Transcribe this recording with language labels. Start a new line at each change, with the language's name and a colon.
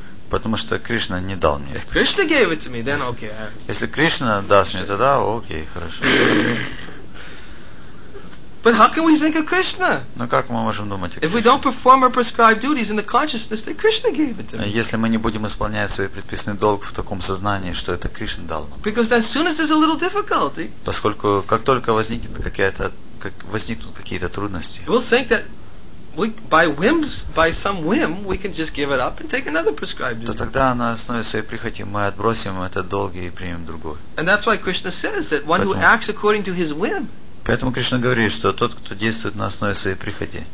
Russian: Потому что Кришна не дал мне это. Если Кришна даст мне, тогда окей, хорошо.
English: But how can we think of Krishna?
Russian: Ну как мы можем думать о Кришне?
English: If we don't perform our prescribed duties in the consciousness that Krishna gave it to us.
Russian: Если мы не будем исполнять свой предписанный долг в таком сознании, что это Кришна дал нам.
English: Because as soon as there's a little difficulty.
Russian: Поскольку как только возникнет какая-то как возникнут какие-то трудности.
English: We'll think that by some whim, we can just give it up and take another prescribed duty.
Russian: То тогда на основе своей прихоти мы отбросим этот долг и примем другой.
English: And that's why Krishna says that one who acts according to his whim.
Russian: Поэтому Кришна говорит, что тот, кто действует на основе своей прихоти,